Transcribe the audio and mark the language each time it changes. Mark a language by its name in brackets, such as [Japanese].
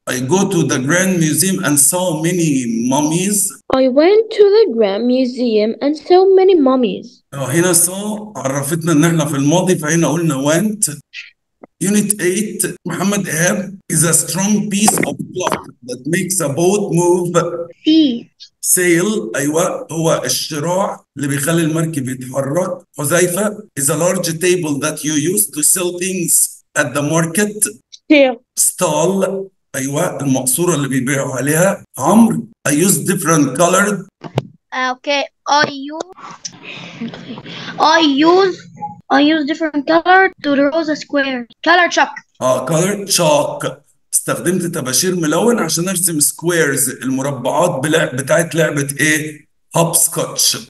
[English] I go to the Grand Museum and saw many mummies. I went to the Grand Museum and saw many mummies. [Arabic] هنا saw عرفتنا إن إحنا في الماضي فهنا قلنا went. [English] Unit 8, Muhammad Ahab, is a strong piece of cloth that makes a boat move. [Arabic] Sail, أيوة, هو الشراع اللي بيخلي المركب يتحرك. [English] حذيفة, is a large table that you use to sell things at the market. [Arabic] Stall, أيوة, المقصورة اللي بيبيعوا عليها. [English] عمر, I use different colored. I use different color to draw the square. Color chalk. Color chalk. [Arabic] استخدمت تباشير ملون عشان ارسم squares المربعات بتاعت لعبة ايه؟ hopscotch.